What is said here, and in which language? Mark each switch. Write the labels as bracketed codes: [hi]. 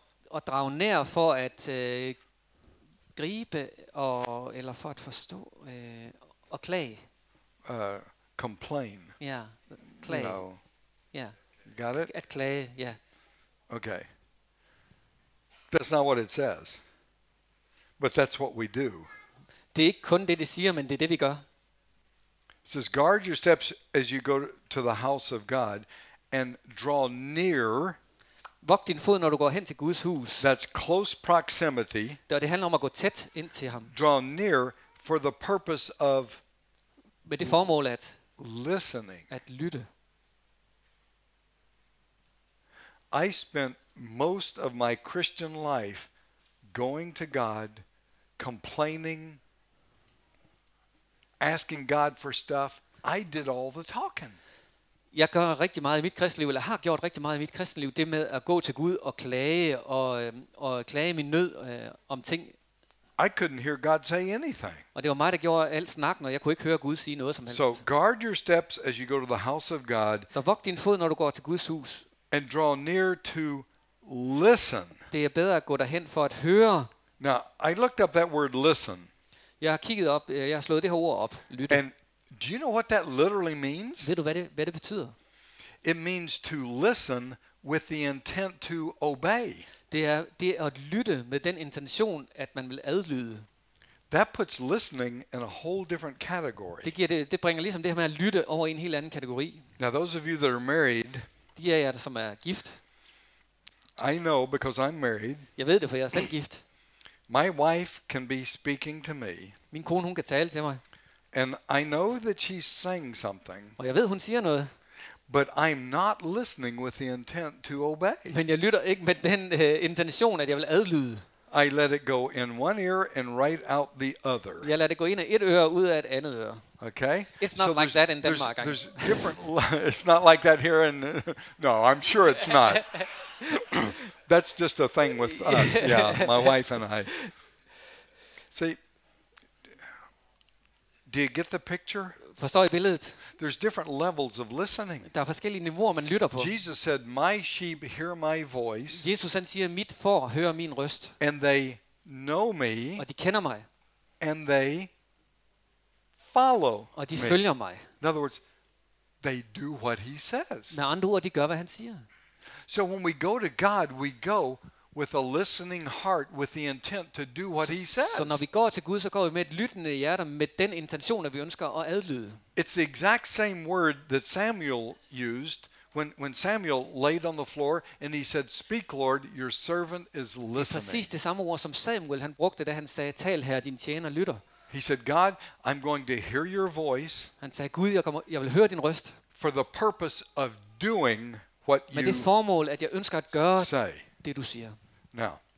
[da] Og drag nær for at gribe og eller for at forstå og klage. [en] Complain. [da] Ja, yeah, klage. [en] You know. Yeah. Got it? [da] At klage, ja. Yeah. [en] Okay. That's not what it says. But that's what we do. [da] Det er ikke kun det siger, men det er det vi gør. [en] It says guard your steps as you go to the house of God and draw near. [da] Vogt din fod når du går hen til Guds hus. [en] That's close proximity. [da] Det handler om at gå tæt ind til ham. [en] Draw near for the purpose of [da] med det formål at [en] listening. [da] At lytte. [en] I spent most of my Christian life going to God, complaining, asking God for stuff. I did all the talking. [da] Jeg gør rigtig meget i mit kristenliv, eller har gjort rigtig meget i mit kristenliv, det med at gå til Gud og klage og klage min nød om ting. [en] I couldn't hear God say anything. [da] Og det var mig der gjorde alt snakken, og jeg kunne ikke høre Gud sige noget som helst. [en] So guard your steps as you go to the house of God. [da] Så vogt din fod når du går til Guds hus. [en] And draw near to listen. [da] Det er bedre at gå derhen for at høre. [en] Now, I looked up that word listen. [da] Jeg har kigget op, jeg har slået det her ord op, lytte. [en] And do you know what that literally means? [da] Ved du hvad det betyder? [en] It means to listen with the intent to obey. [da] Det er at lytte med den intention at man vil adlyde. [en] That puts listening in a whole different category. [da] Det bringer ligesom det her med at lytte over i en helt anden kategori. [en] Now, those of you that are married, [da] de af jer, som er gift. [en] I know because I'm married. [da] Jeg ved det for jeg er selv gift. [en] My wife can be speaking to me. [da] Min kone hun kan tale til mig. [en] And I know that she's saying something. [da] Og jeg ved hun siger noget. [en] But I'm not listening with the intent to obey. [da] Men jeg lytter ikke med den intention at jeg vil adlyde. [en] I let it go in one ear and right out the other. [da] Jeg lader det gå ind af et øre ud af et andet øre. [en] Okay. It's not so like that in Denmark. There's different. It's not like that here in. No, I'm sure it's not. That's just a thing with us. Yeah, my wife and I. See, do you get the picture? [da] Forstår I billedet? [en] There's different levels of listening. [da] Der er forskellige niveauer man lytter på. [en] Jesus said, "My sheep hear my voice." [da] Jesus han siger, mit får hører min røst. [en] And they know me. [da] Og de kender mig. [en] And they follow. [da] Og de følger mig. [en] In other words, they do what he says. [da] Med andre ord, de gør hvad han siger. [en] So when we go to God, we go with a listening heart, with the intent to do what he says. [da] Så når vi går til Gud, så går vi med et lyttende hjerte, med den intention, at vi ønsker at adlyde. [en] It's the exact same word that Samuel used when Samuel laid on the floor and he said, "Speak, Lord, your servant is listening." [da] Det er præcis det samme ord som Samuel han brugte, da han sagde, "Tal her, din tjener lytter." [en] He said, "God, I'm going to hear your voice." [da] Han sagde, "Gud, jeg vil høre din røst." [en] For the purpose of doing what you say. [da] Med det formål, at jeg ønsker at gøre. [en] Say. [da] Det du siger. [en] Now,